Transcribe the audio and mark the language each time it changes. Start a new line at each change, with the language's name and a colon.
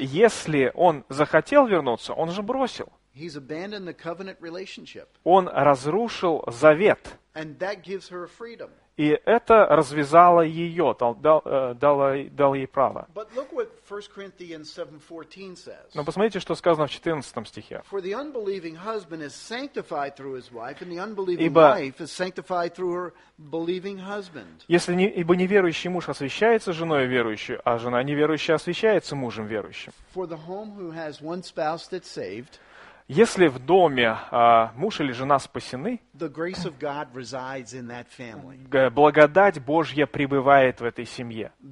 Russian: Если он захотел вернуться, он же бросил.
English: He's abandoned the covenant relationship.
Russian: Он разрушил завет.
English: And that gives her freedom.
Russian: И это развязало ее, дало ей право. Но посмотрите, что сказано в 14 стихе.
English: For the unbelieving husband is sanctified through his wife, and the unbelieving wife is sanctified through her believing husband.
Russian: Ибо неверующий муж освящается женой верующей, а жена неверующая освящается мужем верующим.
English: For the home who has one spouse that's saved.
Russian: Если в доме муж или жена спасены, благодать Божья пребывает в этой семье.